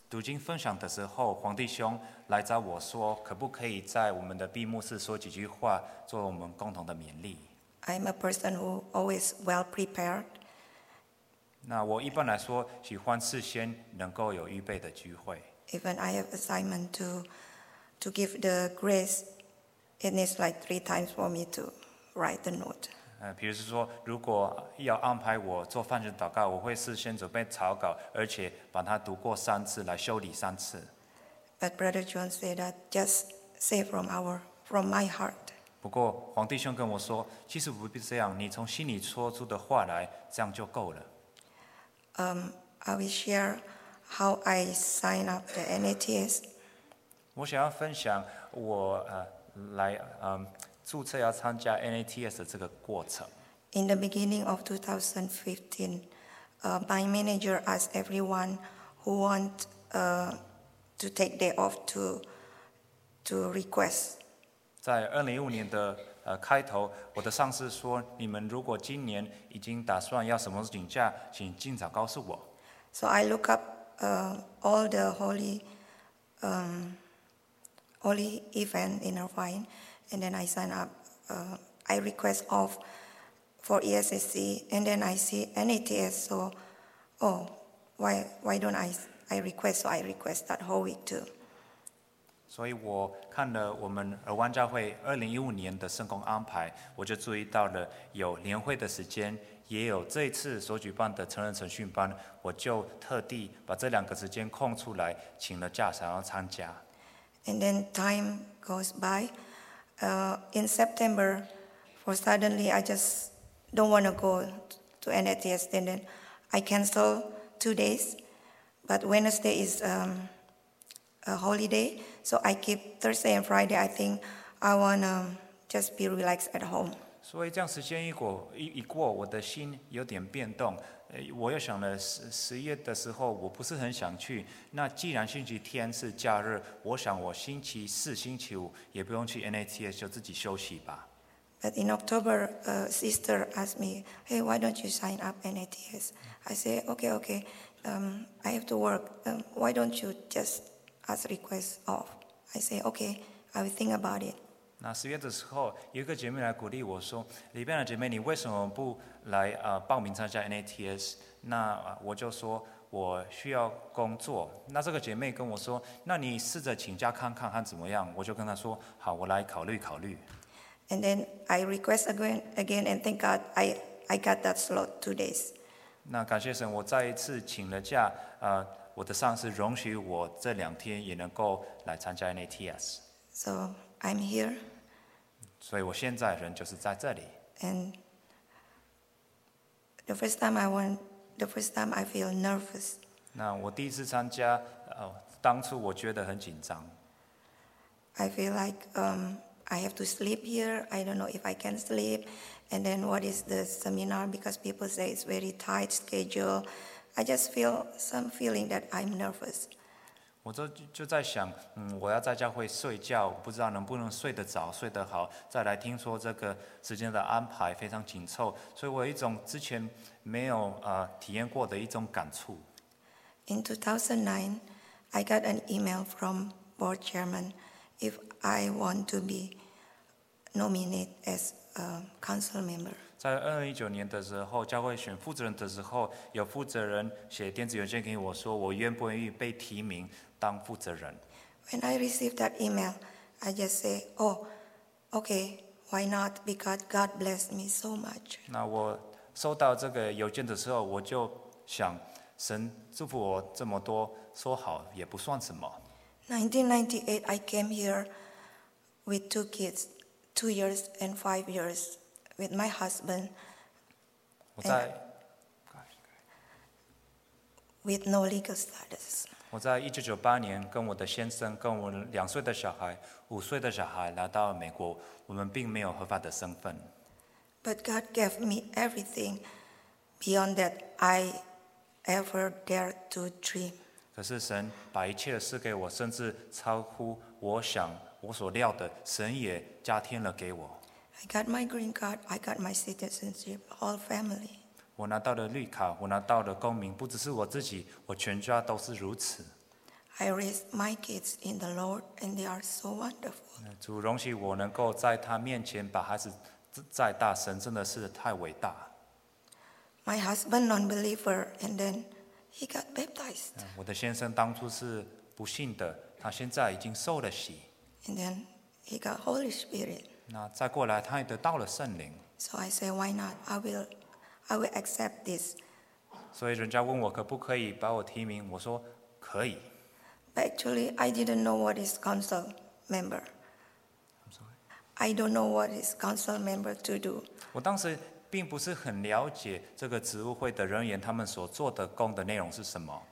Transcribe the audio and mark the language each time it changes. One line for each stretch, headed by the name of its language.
Chinese: 读经分享的时候，黄弟兄来找我说，可不可以在我们的闭幕式说几句话，做我们共同的勉励。
English: I'm a person who always well prepared.
Chinese: 那我一般来说喜欢事先能够有预备的机会。
English: Even I have assignment to give the grace, it needs like 3 times for me to write the note.
Chinese: 比如说，如果要安排我做饭前祷告，我会事先准备草稿，而且把它读过3次，来修理3次。
English: But Brother John said that just say from my heart.
Chinese: 不过黄弟兄跟我说，其实不必这样，你从心里说出的话来，这样就够了。
English: I will share how I sign up the NATS.
Chinese: 我想要分享我来注册要参加 NATS 的这个过程。
English: In the beginning of 2015, my manager asked everyone who want to take day off to request.
Chinese: 在2015年的开头，我的上司说，你们如果今年已经打算要什么请假，请尽早告诉我。
English: So I look up all the holy event in Irvine. And then I sign up. I request off for ESSC, and then I see NATS. So, why don't I request? So I request that whole week too.
Chinese: 所以我看了我们尔湾教会2015年的圣工安排，我就注意到了有年会的时间，也有这一次所举办的成人晨训班，我就特地把这两个时间空出来，请了假想要参加。
English: And then time goes by. In September, for suddenly I just don't want to go to NATS. And then I cancel 2 days. But Wednesday is a holiday, so I keep Thursday and Friday. I think I want to just be relaxed at home.
Chinese: 所以这样时间一过，我的心有点变动。我又想了10月的时候，我不是很想去。那既然星期天是假日，我想我星期四、星期五也不用去 NATS， 就自己休息吧。
English: But in October, a sister asked me, "Hey, why don't you sign up NATS?" I say, "Okay, okay. I have to work. Why don't you just ask request off?" I say, "Okay, I will think about it."
Chinese: 那十月的时候，有一个姐妹来鼓励我说：“里边的姐妹，你为什么不？” 来报名参加 NATS， 那我就说我需要工作。那这个姐妹跟我说，那你试着请假看看看怎么样？我就跟她说，好，我来考虑考虑。
English: And then I request again, and thank God I got that slot 2 days.
Chinese: 那感谢神，我再一次请了假，我的上司容许我这两天也能够来参加 NATS。
English: So I'm here.
Chinese: 所以我现在人就是在这里。
English: And The first time I feel nervous.
Chinese: 那我第一次参加，当初我觉得很紧张。
English: I feel like I have to sleep here. I don't know if I can sleep. And then what is the seminar? Because people say it's very tight schedule. I just feel some feeling that I'm nervous.
Chinese: 我就在想，我要在教会睡觉，不知道能不能睡得着、睡得好。再来听说这个时间的安排非常紧凑，所以我有一种之前没有体验过的一种感触。
English: In 2009, I got an email from board chairman if I want to be nominated as a council member.
Chinese: 在2019年的时候，教会选负责人的时候，有负责人写电子邮件给我说，我愿不愿意被提名当负责人。
English: When I received that email, I just say, "Oh, okay, why not? Because God blessed me so much."
Chinese: 那我收到这个邮件的时候，我就想，神祝福我这么多，说好也不算什么。
English: 1998, I came here with 2 kids, 2 years and 5 years, with my husband.
Chinese: 我在。
English: With no legal status.
Chinese: 我在1998年跟我的先生、跟我2岁的小孩、5岁的小孩来到美国，我们并没有合法的身份。
English: But God gave me everything beyond that I ever dared to dream.
Chinese: 可是神把一切赐给我，甚至超乎我想、我所料的，神也加添了给我。
English: I got my green card, I got my citizenship, all family.
Chinese: 我拿到了绿卡，我拿到了公民，不只是我自己，我全家都是如此。
English: I raise my kids in the Lord, and they are so wonderful.
Chinese: 主容许我能够在他面前把孩子再大，神真的是太伟大。
English: My husband non-believer, and then he got baptized.
Chinese: 我的先生当初是不信的，他现在已经受了洗。
English: And then he got Holy Spirit.
Chinese: 那再过来，他也得到了圣灵。
English: So I say, why not? I will accept this.
Chinese: 所以人家问我可不可以把我提名，我说可以。
English: But actually, I didn't know what is council member. I'm sorry. I don't know what is council member to do.
Chinese: 我当时并不是很了解这个职务会的人员他们所做的工的内容是什么。